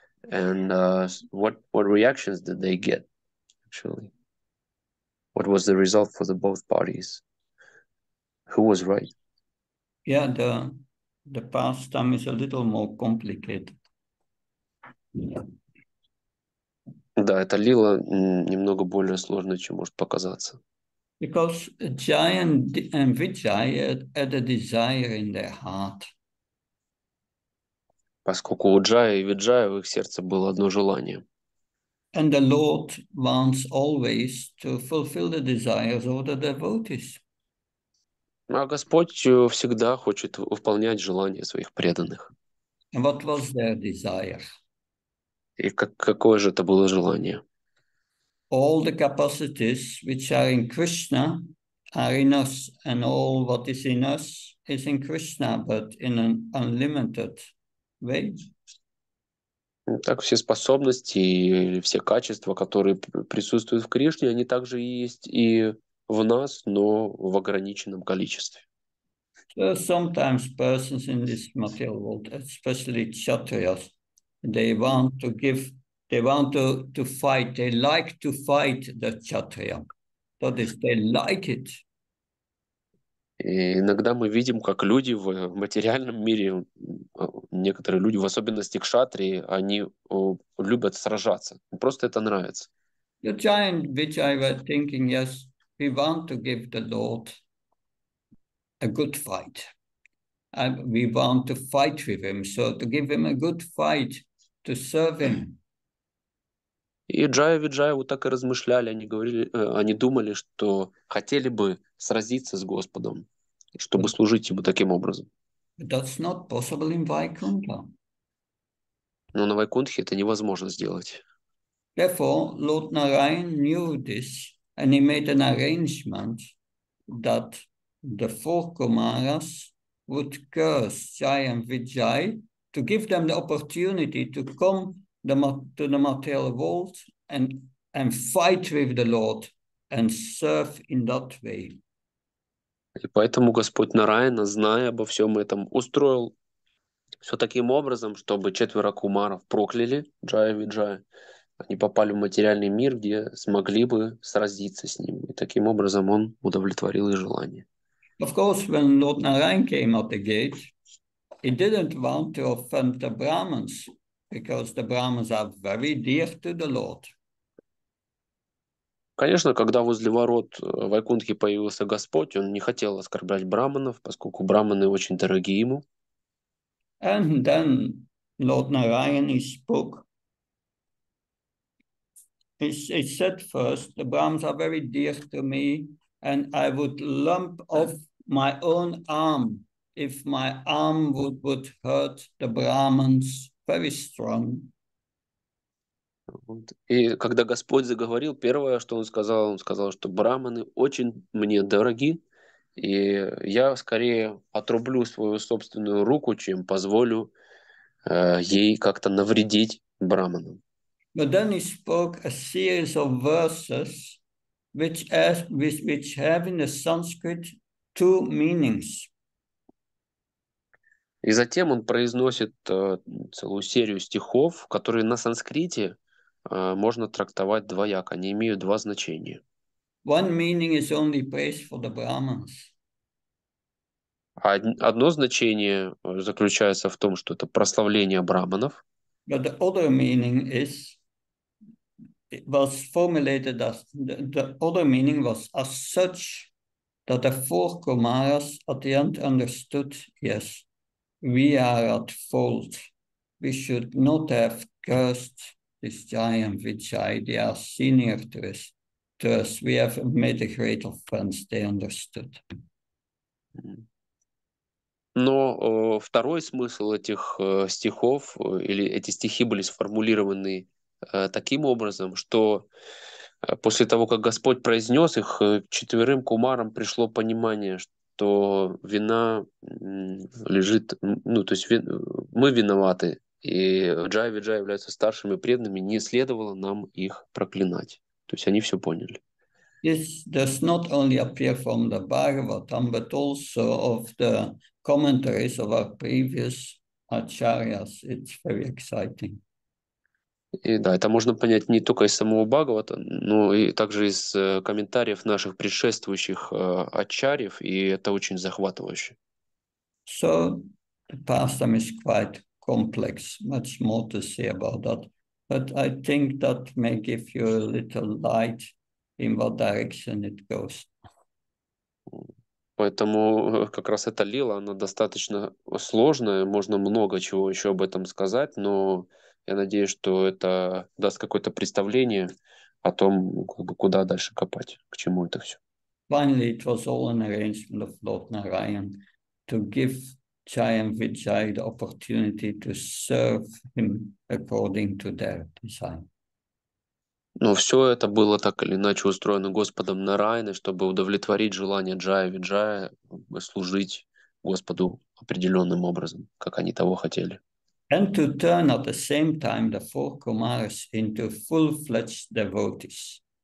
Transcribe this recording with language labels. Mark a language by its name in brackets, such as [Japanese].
[English] And what reactions did they get, actually? What was the result for the both parties? Who was right? Yeah, the pastime is a little more complicated. [Russian] Да, эта лила немного более сложная, чем может показаться. [English] Because Jai and Vijay had a desire in their heart. [Russian] Поскольку у Джая и Виджая в их сердце было одно желание. [English] And the Lord wants always to fulfill the desires of the devotees. [Russian] А Господь всегда хочет выполнять желания своих преданных. [English] And what was their desire? [Russian] И какое же это было желание? [English] All the capacities which are in Krishna are in us, and all what is in Krishna, but in an unlimited way. [Russian] Так все способности или все качества, которые присутствуют в Кришне, они также есть и в нас, но в ограниченном количестве. [English] So sometimes persons in this material world, especially kshatriyas, they want to fight, they like to fight the kshatriya. That is, they like it. [Russian] И иногда мы видим, как люди в материальном мире, некоторые люди, в особенности кшатрии, они любят сражаться. Просто это нравится. [English] The giant which I was thinking, yes, we want to give the Lord a good fight. And we want to fight with him, so to give him a good fight, to serve him. [Russian] И Джая Виджая вот так и размышляли, они говорили, они думали, что хотели бы сразиться с Господом, чтобы служить ему таким образом. [English] That's not possible in Vaikuntha. [Russian] Но на Вайкунтхе это невозможно сделать. [English] Therefore, Lord Narayan knew this, and he made an arrangement that the four Kumaras would curse Jai and Vijay to give them the opportunity to come to the material world and fight with the Lord and serve in that way. [Russian] И поэтому Господь Нараяна, зная обо всем этом, устроил все таким образом, чтобы четверо кумаров прокляли Джая Виджая. Они попали в материальный мир, где смогли бы сразиться с ним. И таким образом он удовлетворил их желание. [English] Of course, when Lord Narayan came at the gate, he didn't want to offend the Brahmins, because the Brahmins are very dear to the Lord. [Russian] Конечно, когда возле ворот Вайкунтхи появился Господь, он не хотел оскорблять браманов, поскольку браманы очень дороги ему. [English] And then Lord Narayan spoke. He said first, the Brahmins are very dear to me, and I would lump off my own arm if my arm would hurt the Brahmins very strong. [Russian] И когда Господь заговорил, первое, что он сказал, что браманы очень мне дороги, и я скорее отрублю свою собственную руку, чем позволю ей как-то навредить браманам. [English] But then he spoke a series of verses which have in the Sanskrit two meanings. [Russian] И затем он произносит целую серию стихов, которые на санскрите можно трактовать двояко, они имеют два значения. [English] One meaning is only praise for the Brahmins. [Russian] Одно значение заключается в том, что это прославление браманов. [English] But the other meaning is it was formulated as the other meaning was as such that the four Kumaras at the end understood, yes, we are at fault. We should not have cursed this giant Vijay, they are senior to us. We have made a great offense, they understood. [Russian] Но второй смысл этих стихов, или эти стихи были сформулированы таким образом, что после того, как Господь произнес их, четверым кумарам пришло понимание, что вина лежит, ну, то есть мы виноваты, и Джая Виджая являются старшими преданными, не следовало нам их проклинать. То есть они все поняли. [English] This does not only appear from the Bhagavatam, but also of the commentaries of our previous acharyas. It's very exciting. [Russian] И да, это можно понять не только из самого Бхагавата, но и также из комментариев наших предшествующих ачарьев, и это очень захватывающе. [English] So, the pastime is quite complex, much more to say about that. But I think that may give you a little light in what direction it goes. [Russian] Поэтому как раз эта лила, она достаточно сложная, можно много чего еще об этом сказать, но я надеюсь, что это даст какое-то представление о том, как бы куда дальше копать, к чему это все. [English] Finally, it was all an arrangement of Lord Narayan to give Jai and Vijay the opportunity to serve him according to their design. [Russian] Но все это было так или иначе устроено Господом Нарайаной, чтобы удовлетворить желание Джая и Виджая служить Господу определенным образом, как они того хотели. [English] and to turn at the same time the four Kumaras into full-fledged devotees.